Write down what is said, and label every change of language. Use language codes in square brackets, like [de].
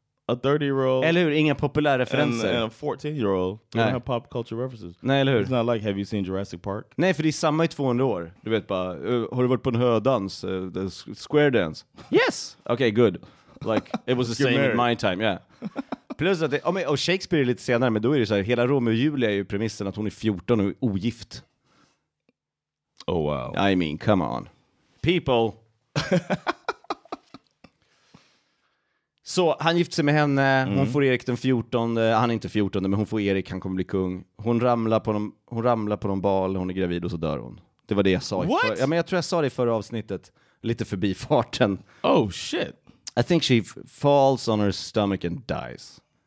[en] A 30-year-old. [sv] Eller hur? Inga populära referenser. [en] And a 14-year-old. Nej. Don't have pop culture references. [sv] Nej, eller hur? [en] It's not like, have you seen Jurassic Park? [sv] Nej, för det är samma i 200 år. Du vet bara, har du varit på en hördans? [en] Square dance? Yes! Okay, good. Like, it was the same in my time, yeah. [sv] Plus att det, och Shakespeare är lite senare, men då är det så här, hela Romeo och Julia är ju premissen att hon är 14 och ogift. [en] Oh wow. I mean, come on. People. [sv] Så han gifte sig med henne, hon får Erik den 14:e, han är inte 14:e, men hon får Erik, han kommer bli kung. Hon ramlar på någon bal, hon är gravid och så dör hon. Det var det jag sa. [en] What? [sv] Ja, men jag tror jag sa det i förra avsnittet, lite förbi farten. [en] Oh shit. I think she falls on her stomach and dies.